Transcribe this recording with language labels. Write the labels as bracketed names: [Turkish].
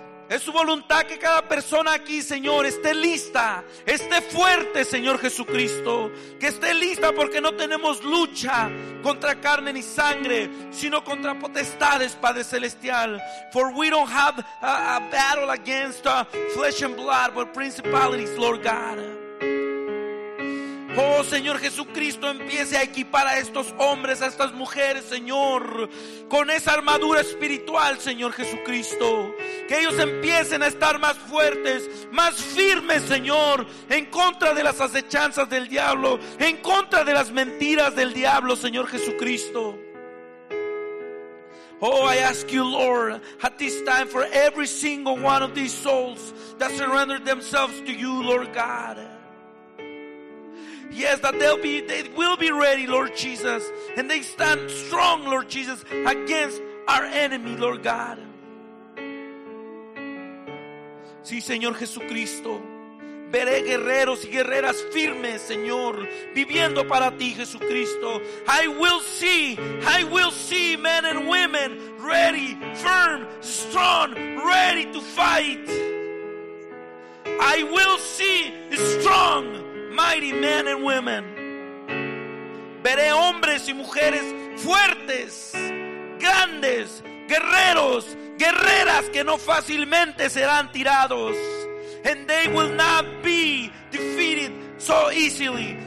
[Spanish] Es su voluntad que cada persona aquí, Señor, esté lista, esté fuerte, Señor Jesucristo, que esté lista, porque no tenemos lucha contra carne ni sangre, sino contra potestades, Padre Celestial. [English] For we don't have a battle against flesh and blood, but principalities, Lord God. [Spanish] Oh, Señor Jesucristo, empiece a equipar a estos hombres, a estas mujeres, Señor, con esa armadura espiritual, Señor Jesucristo. Que ellos empiecen a estar más fuertes, más firmes, Señor, en contra de las acechanzas del diablo, en contra de las mentiras del diablo, Señor Jesucristo. [English] Oh, I ask you, Lord, at this time, for every single one of these souls that surrendered themselves to you, Lord God. Yes, that they will be ready, Lord Jesus, and they stand strong, Lord Jesus, against our enemy, Lord God. [Spanish] Sí, Señor Jesucristo, veré guerreros y guerreras firmes, Señor, viviendo para ti, Jesucristo. [English] I will see men and women ready, firm, strong, ready to fight. I will see strong, mighty men and women. [Spanish] Veré hombres y mujeres fuertes, grandes, guerreros, guerreras que no fácilmente serán tirados. [English] And they will not be defeated so easily.